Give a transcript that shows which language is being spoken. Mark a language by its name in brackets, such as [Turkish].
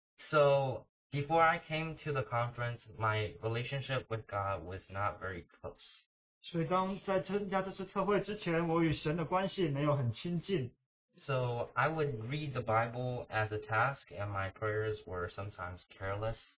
[English] So before I came to the conference, my relationship with God was not very close. [Chinese] 所以当在参加这次特会之前，我与神的关系没有很亲近。 [English] So I would read the Bible as a task, and my prayers were sometimes careless.